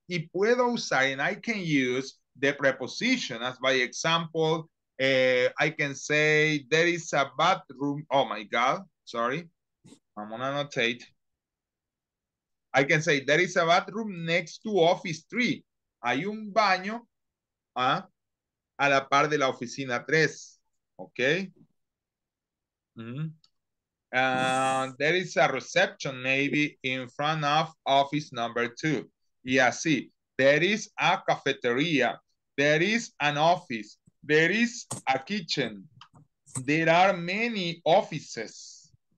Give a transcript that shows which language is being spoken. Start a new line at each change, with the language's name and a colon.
Spanish: Y puedo usar,
English: and I can use the preposition, as by example, I can say there is a bathroom. Oh my God, sorry, I'm gonna annotate. I can say there is a bathroom next to office 3.
Spanish: Hay un baño a la par de la oficina 3.
English: Okay. There is a reception maybe in front of office number 2.
Spanish: Y así,
English: there is a cafeteria, there is an office, there is a kitchen, there are many offices.